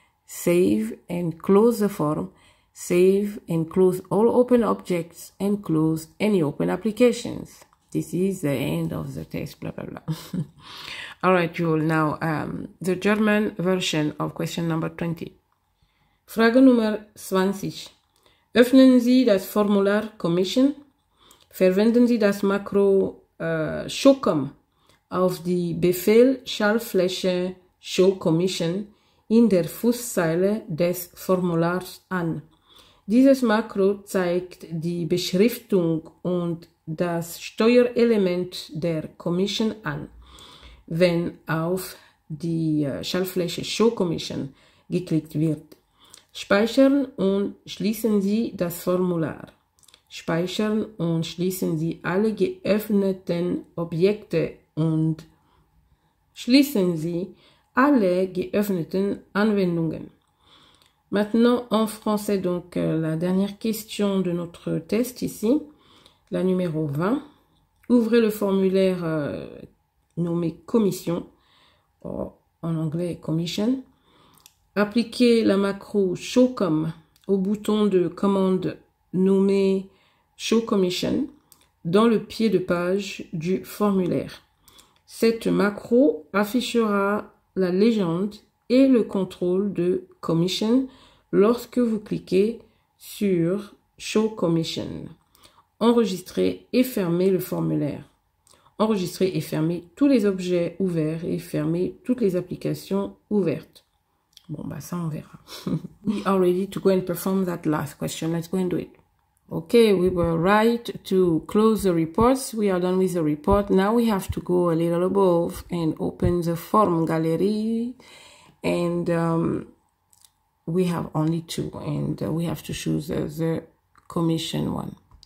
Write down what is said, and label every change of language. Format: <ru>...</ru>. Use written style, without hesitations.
<en>Save and close the form. Save and close all open objects and close any open applications. This is the end of the test, blah, blah, blah. All right, Jules, now the German version of question number 20.</en> <de>Frage Nummer 20. Öffnen Sie das Formular Commission. Verwenden Sie das Makro Showcom</de> <en>of the</en> <de>Befehl Charl Fleischer Show Commission in der Fußzeile des Formulars an. Dieses Makro zeigt die Beschriftung und das Steuerelement der Commission an. Wenn auf die Schaltfläche Show Commission geklickt wird, speichern und schließen Sie das Formular. Speichern und schließen Sie alle geöffneten Objekte und schließen Sie alle geöffneten Anwendungen.</de> <fr>Maintenant en français, donc la dernière question de notre test ici, la numéro 20. Ouvrez le formulaire nommé commission, en anglais commission. Appliquez la macro showcom au bouton de commande nommé show commission dans le pied de page du formulaire. Cette macro affichera la légende et le contrôle de commission lorsque vous cliquez sur Show Commission. Enregistrez et fermez le formulaire. Enregistrez et fermez tous les objets ouverts et fermez toutes les applications ouvertes. Bon, bah ça, on verra.</fr> <en>We are ready to go and perform that last question. Let's go and do it. Okay, we were right to close the reports. We are done with the report. Now we have to go a little above and open the form gallery. And we have only two, and we have to choose the commission one.</en>